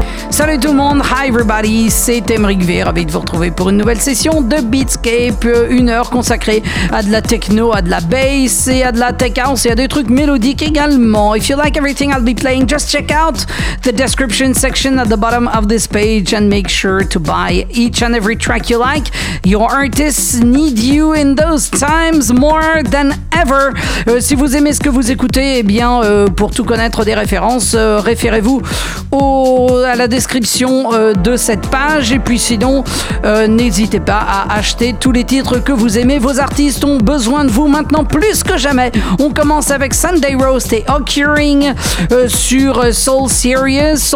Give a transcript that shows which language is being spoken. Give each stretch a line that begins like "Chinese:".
French: Salut tout le monde,
English: hi everybody,
French: c'est Aymeric Vier, ravi de vous retrouver pour une nouvelle session de Beatscape, une heure consacrée à de la techno, à de la bass et à de la tech house et à des trucs mélodiques également.
English: If you like everything I'll be playing, just check out the description section at the bottom of this page and make sure to buy each and every track you like. Your artists need you in those times more than ever.
French: Si vous aimez ce que vous écoutez, eh bien, pour tout connaître des références, référez-vous à la description de cette page et puis sinon n'hésitez pas à acheter tous les titres que vous aimez. Vos artistes ont besoin de vous maintenant plus que jamais. On commence avec Sunday Roast et Occurring sur Soulserious.